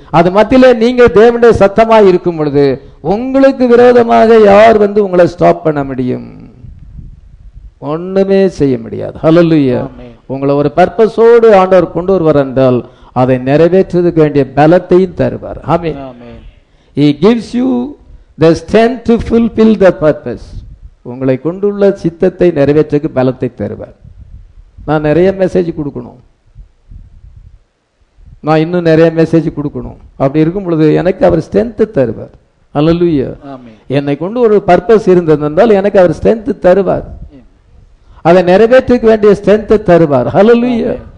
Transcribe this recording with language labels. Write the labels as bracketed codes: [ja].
[ta] அது மத்தியில் நீங்கள் தேவனுடைய சத்தமாக இருக்கும் பொழுது உங்களுக்கு விரோதமாக யார் வந்து உங்களை ஸ்டாப் பண்ண முடியும்? ஒன்றுமே செய்ய முடியாது. ஹல்லேலூயா. உங்களை ஒரு பர்பஸோடு ஆண்டவர் கொண்டு வருவார் என்றால் அதை நிறைவேற்றுவதற்கு வேண்டிய பலத்தையும் தருவார். ஆமென். [en] He gives you the strength to fulfill the purpose. [ta] உங்களை கொண்டுள்ள சித்தத்தை நிறைவேற்றுக்கு பலத்தை தருவார். நான் நிறைய மெசேஜ் கொடுக்கணும், நான் இன்னும் நிறைய மெசேஜ் கொடுக்கணும் அப்படி இருக்கும் பொழுது எனக்கு அவர் ஸ்ட்ரென்த் தருவார். ஹல்லேலூயா. என்னை கொண்டு ஒரு பர்பஸ் இருந்ததென்றால் எனக்கு அவர் ஸ்ட்ரென்த் தருவார், அதை நிறைவேற்றிக்க வேண்டிய ஸ்ட்ரென்த் தருவார். ஹல்லேலூயா.